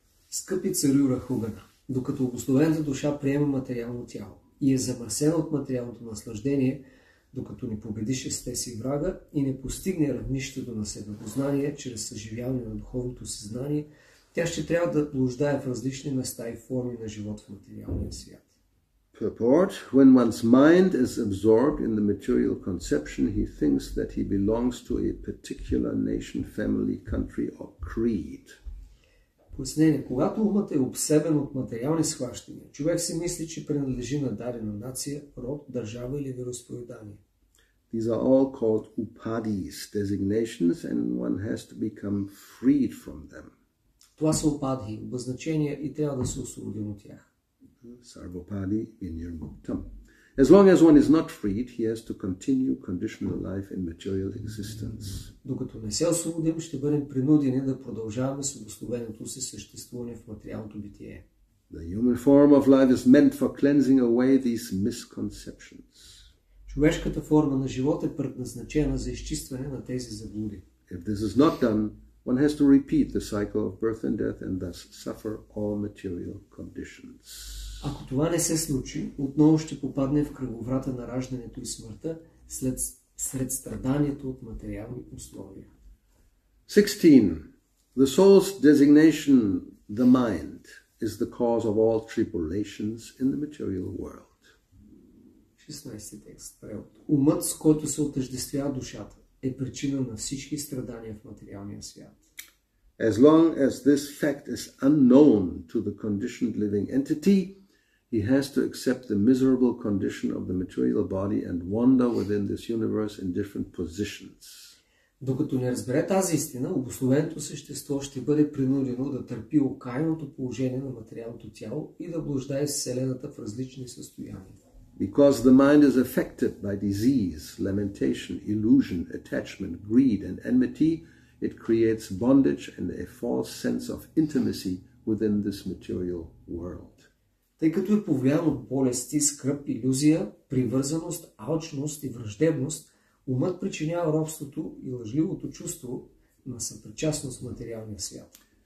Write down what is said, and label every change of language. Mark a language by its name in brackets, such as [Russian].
[Bulgarian] Скъпи царю Рахугана, докато обусловената душа приема материално тяло и е замърсена от материалното наслаждение, докато не победи шесте си врага и не постигне равнището на себепознание чрез съживяване на духовното съзнание, тя ще трябва да блуждае в различни места и форми на живот в материалния свят. [English] Purport. When one's mind is absorbed in the material conception, he thinks that he belongs to a particular nation, family, country or creed. [Bulgarian] Пояснение. Когато умът е обсебен от материални схващания, човек си мисли, че принадлежи на дадена нация, род, държава или вероисповедание. [English] These are all called upadis, designations, and one has to become freed from them. [Bulgarian] Това са упади, обозначения и трябва да се освободим от тях. [Sanskrit] Sarvopadi in your muktam. [English] As long as one is not freed, he has to continue conditional life in material existence. [Bulgarian] Докато не се освободим, ще бъдем принудени да продължаваме с обусловеното си съществуване в материалното битие. [English] The human form of life is meant for cleansing away these misconceptions. [Bulgarian] Човешката форма на живот е предназначена за изчистване на тези заблуди. [English] If this is not done, one has to repeat the cycle of birth and death and thus suffer all material conditions. [Bulgarian] Ако това не се случи, отново ще попадне в кръговрата на раждането и смъртта сред страданието от материални условия. 16. [English] The soul's designation, the mind, is the cause of all tribulations in the material world. [Bulgarian] 16 текст. Превод. Умът, с който се отъждествява душата, е причина на всички страдания в материалния свят. [English] As long as this fact is unknown to the conditioned living entity, he has to accept the miserable condition of the material body and wander within this universe in different positions. [Bulgarian] Докато не разбере тази истина, обусловеното същество ще бъде принудено да търпи окаяното положение на материалното тяло и да блуждае в вселената в различни състояния. [English] Because the mind is affected by disease, lamentation, illusion, attachment, greed and enmity, it creates bondage and a false sense of intimacy within this material world. [Bulgarian] Тъй като е повлияно от болести, скръп, илюзия, привързаност, алчност и враждебност, умът причинява робството и лъжливото чувство на съпричастност в материалния свят.